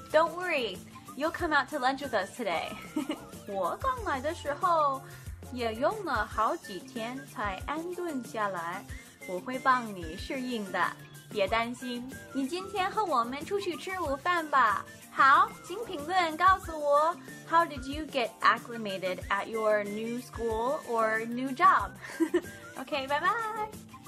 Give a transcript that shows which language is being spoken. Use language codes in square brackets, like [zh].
[en] Don't worry, you'll come out to lunch with us today. [zh] 我刚来的时候也用了好几天才安顿下来，我会帮你适应的，别担心。你今天和我们出去吃午饭吧。好，请评论告诉我 [en] ,How did you get acclimated at your new school or new job? Okay, bye-bye!